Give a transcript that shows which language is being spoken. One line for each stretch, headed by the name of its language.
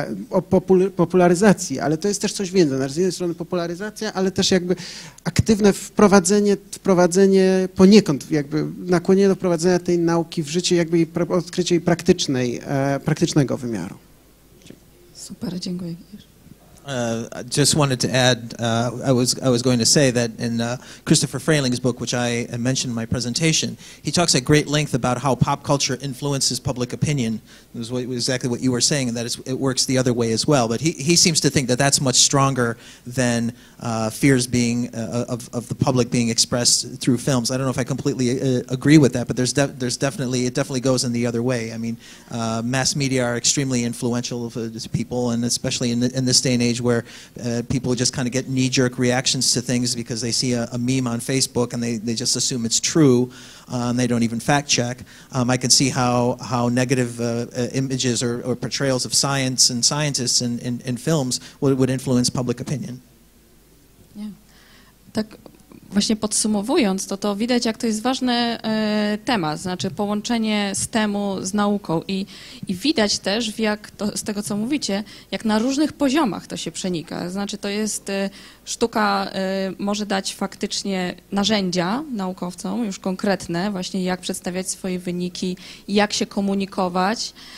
Polish: O popularyzacji, ale to jest też coś więcej. Z jednej strony popularyzacja, ale też jakby aktywne wprowadzenie poniekąd, jakby nakłonienie do wprowadzenia tej nauki w życie, jakby odkrycie jej praktycznego wymiaru. Super, dziękuję.
English: Just wanted to add, I was going to say that in Christopher Frayling's book, which I mentioned in my presentation, he talks at great length about how pop culture influences public opinion. It was exactly what you were saying, and that it works the other way as well. But he seems to think that that's much stronger than fears being of the public being expressed through films. I don't know if I completely agree with that, but it definitely goes in the other way. I mean, mass media are extremely influential to people, and especially in this day and age where people just kind of get knee-jerk reactions to things because they see a meme on Facebook and they just assume it's true. They don't even fact check. I can see how negative images or portrayals of science and scientists in films would influence public opinion. Yeah.
Polish: Tak właśnie podsumowując, to widać, jak to jest ważny temat, znaczy połączenie STEM-u z nauką i widać też, jak to, z tego, co mówicie, jak na różnych poziomach to się przenika. Znaczy to jest sztuka może dać faktycznie narzędzia naukowcom, już konkretne, właśnie jak przedstawiać swoje wyniki, jak się komunikować.